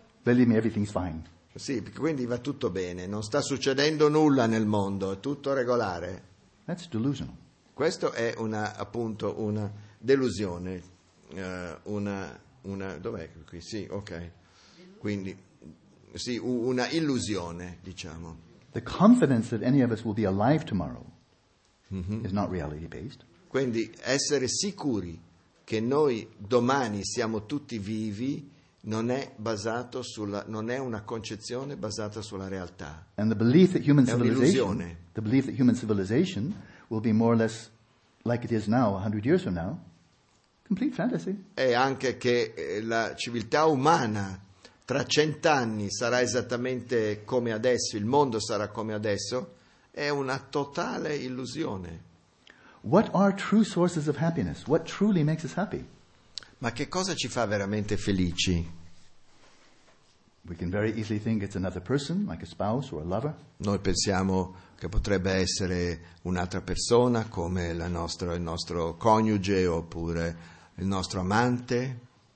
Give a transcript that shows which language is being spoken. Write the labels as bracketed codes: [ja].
[en] Believe me, everything's fine. [it] Sì, quindi va tutto bene, non sta succedendo nulla nel mondo, è tutto regolare. [en] That's delusional. [it] Questo è una, appunto, una delusione, una dov'è qui? Sì, ok. Quindi sì, una illusione, diciamo. [en] The confidence that any of us will be alive tomorrow is not reality based. [it] Quindi essere sicuri che noi domani siamo tutti vivi non è basato sulla, non è una concezione basata sulla realtà. [en] And the belief that human civilization, [it] è un'illusione. [en] The belief that human civilization will be more or less like it is now, 100 years from now, complete fantasy. [it] E anche che la civiltà umana tra 100 anni sarà esattamente come adesso, il mondo sarà come adesso, è una totale illusione. [en] What are true sources of happiness? What truly makes us happy? [it] Ma che cosa ci fa veramente felici? [en] We can very easily think it's another person, like a spouse or a lover. [it] Noi pensiamo che potrebbe essere un'altra persona, come la nostra, il nostro coniuge oppure il nostro amante.